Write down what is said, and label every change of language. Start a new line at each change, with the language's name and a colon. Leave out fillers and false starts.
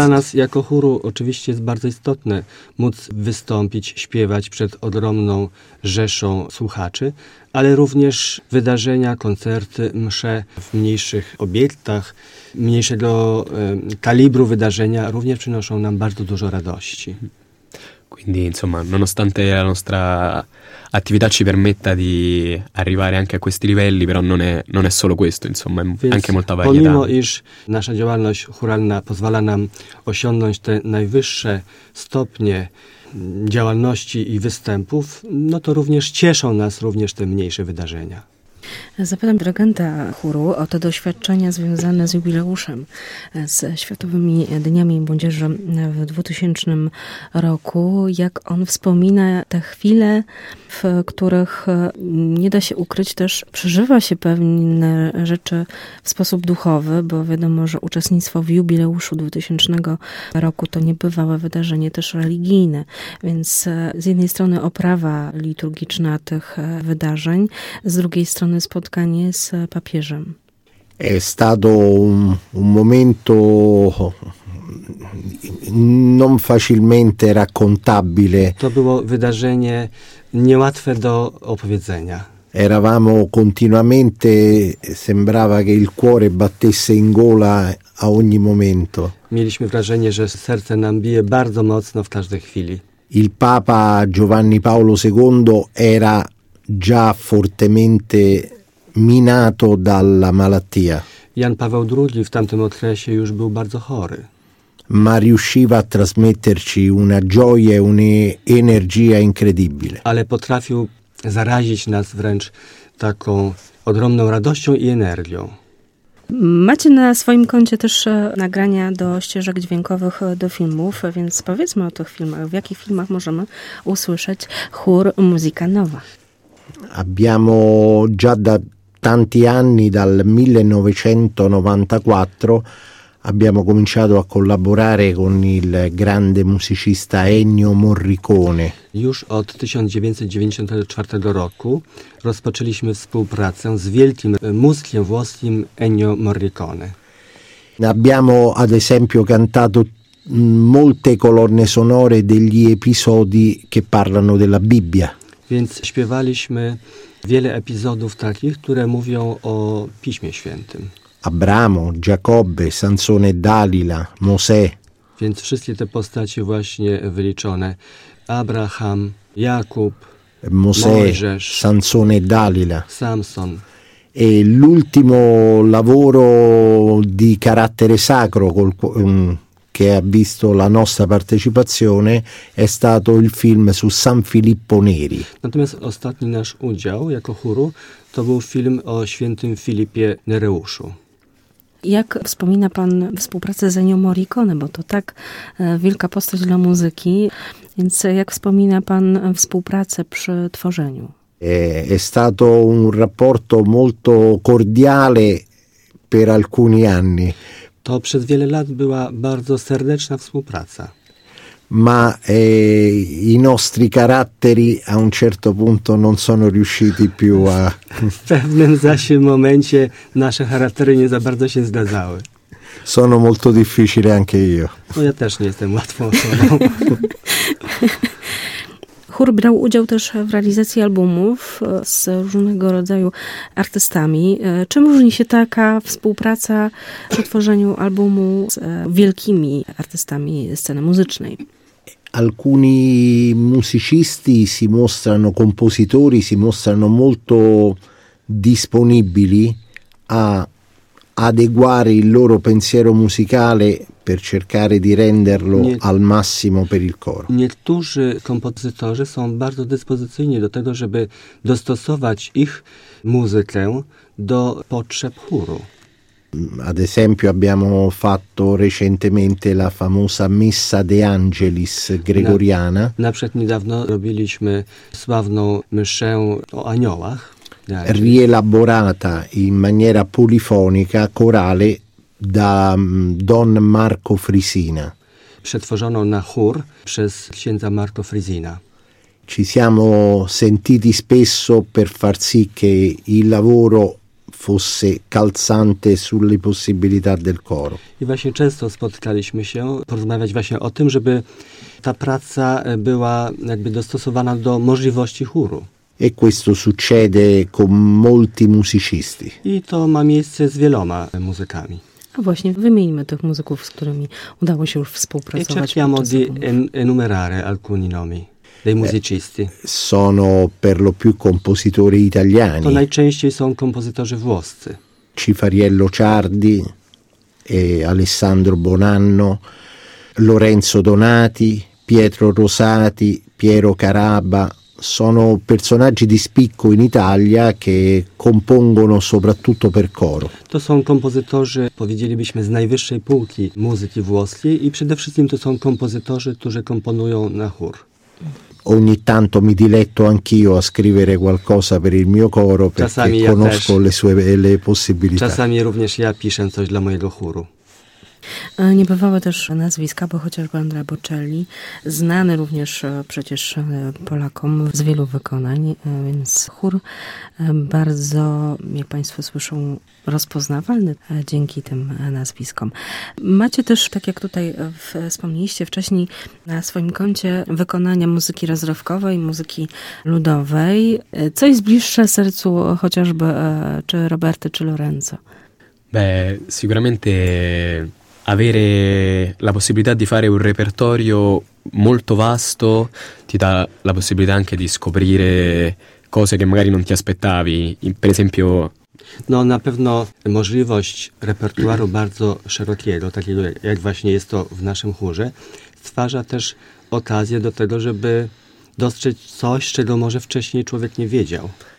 Polish: Dla nas jako chóru oczywiście jest bardzo istotne móc wystąpić, śpiewać przed ogromną rzeszą słuchaczy, ale również wydarzenia, koncerty, msze w mniejszych obiektach, mniejszego kalibru wydarzenia również przynoszą nam bardzo dużo radości.
Italian: Quindi insomma, nonostante la nostra attività ci permetta di arrivare anche a questi livelli, però non è solo questo, insomma,
Polish: Więc
Italian: anche molta varietà.
Polish: Pomimo iż nasza działalność churalna pozwala nam osiągnąć te najwyższe stopnie działalności i występów, no to również cieszą nas również te mniejsze wydarzenia. Zapytam dyrygenta chóru o te doświadczenia związane z jubileuszem, z Światowymi Dniami Młodzieży w 2000 roku. Jak on wspomina te chwile, w których nie da się ukryć, też przeżywa się pewne rzeczy w sposób duchowy, bo wiadomo, że uczestnictwo w jubileuszu 2000 roku to niebywałe wydarzenie też religijne. Więc z jednej strony oprawa liturgiczna tych wydarzeń, z drugiej strony spotkanie z papieżem.
Italian: È stato un momento non facilmente raccontabile.
Polish: To było wydarzenie niełatwe do opowiedzenia.
Italian: Eravamo continuamente, sembrava che il cuore battesse in gola a ogni momento.
Polish: Mieliśmy wrażenie, że serce nam bije bardzo mocno w każdej chwili.
Italian: Il Papa Giovanni Paolo II era già fortemente minato dalla malattia.
Polish: Jan Paweł II w tamtym okresie już był bardzo chory.
Italian: Ma riusciva a trasmetterci una gioia e un'energia incredibile.
Polish: Ale potrafił zarazić nas wręcz taką ogromną radością i energią. Macie na swoim koncie też nagrania do ścieżek dźwiękowych do filmów, więc powiedzmy o tych filmach. W jakich filmach możemy usłyszeć chór Muzyka Nowa?
Italian: Abbiamo già da tanti anni, dal 1994, abbiamo cominciato a collaborare con il grande musicista Ennio Morricone.
Polish: Już od 1994 roku rozpoczęliśmy współpracę z wielkim muzykiem włoskim Ennio Morricone.
Italian: Abbiamo ad esempio cantato molte colonne sonore degli episodi che parlano della Bibbia.
Polish: Więc śpiewaliśmy wiele epizodów takich, które mówią o Piśmie Świętym.
Italian: Abramo, Giacobbe, Sansone, Dalila, Mosè.
Polish: Więc wszystkie te postacie właśnie wyliczone. Abraham, Jakub,
Italian: Mosè,
Polish: Mojżesz,
Italian: Sansone, Dalila,
Polish: Samson.
Italian: E l'ultimo lavoro di carattere sacro che ha visto la nostra partecipazione è stato il film su San Filippo Neri.
Polish: Natomiast ostatni nasz udział jako chóru to był film o świętym Filipie Nereuszu. Jak wspomina pan współpracę z Ennio Morricone, bo to tak wielka postać dla muzyki, więc jak wspomina pan współpracę przy tworzeniu?
Italian: È stato un rapporto molto cordiale per alcuni anni.
Polish: To przez wiele lat była bardzo serdeczna współpraca.
Italian: Ma i nostri caratteri a un certo punto non sono riusciti più a...
Polish: W pewnym zaś momencie nasze charaktery nie za bardzo się zgadzały.
Italian: Sono molto difficile anche io.
Polish: No ja też nie jestem łatwą osobą. Chór brał udział też w realizacji albumów z różnego rodzaju artystami. Czym różni się taka współpraca przy tworzeniu albumu z wielkimi artystami sceny muzycznej?
Italian: Alcuni musicisti si mostrano, compositori si mostrano molto disponibili a adeguare il loro pensiero musicale per cercare di renderlo al massimo per il coro.
Polish: Niektórzy kompozytorzy są bardzo dyspozycyjni do tego, żeby dostosować ich muzykę do potrzeb chóru.
Italian: Ad esempio abbiamo fatto recentemente la famosa Messa de Angelis Gregoriana.
Polish: Na przykład niedawno robiliśmy sławną mszę o aniołach.
Italian: Rielaborata in maniera polifonica, corale, da Don Marco Frisina.
Polish: Przetworzono na chór przez księdza Marco Frisina.
Italian: Ci siamo sentiti spesso per far sì che il lavoro fosse calzante sulle possibilità del coro.
Polish: I właśnie często spotkaliśmy się, porozmawiać właśnie o tym, żeby ta praca była jakby dostosowana do możliwości chóru.
Italian: E questo succede con molti musicisti.
Polish: I to ma miejsce z wieloma muzykami. A właśnie, wymienimy tych muzyków, z którymi udało się już współpracować.
Italian: E cerchiamo di enumerare alcuni nomi dei musicisti. Sono per lo più compositori italiani.
Polish: To najczęściej są kompozytorzy włoscy.
Italian: Cifariello Ciardi, Alessandro Bonanno, Lorenzo Donati, Pietro Rosati, Piero Caraba. Sono personaggi di spicco in Italia che compongono soprattutto per coro.
Polish: To są kompozytorzy, powiedzielibyśmy, z najwyższej półki muzyki włoskiej i przede wszystkim to są kompozytorzy, którzy komponują na chór.
Italian: Ogni tanto mi diletto anch'io a scrivere qualcosa per il mio coro perché
Polish: czasami
Italian: conosco
Polish: ja
Italian: le sue le possibilità.
Polish: Czasami również ja piszę coś dla mojego chóru. Niebywałe też nazwiska, bo chociażby Andrea Bocelli, znany również przecież Polakom z wielu wykonań, więc chór bardzo, jak Państwo słyszą, rozpoznawalny dzięki tym nazwiskom. Macie też, tak jak tutaj wspomnieliście wcześniej, na swoim koncie wykonania muzyki rozrywkowej, muzyki ludowej. Co jest bliższe sercu chociażby czy Roberty, czy Lorenzo?
Italian: Sicuramente avere la possibilità di fare un repertorio molto vasto ti dà la possibilità anche di scoprire cose che magari non ti aspettavi, per esempio...
Polish: No, na pewno możliwość repertuaru bardzo szerokiego, takiego jak właśnie jest to w naszym chórze, stwarza też okazję do tego, żeby dostrzec coś, czego może wcześniej człowiek nie wiedział.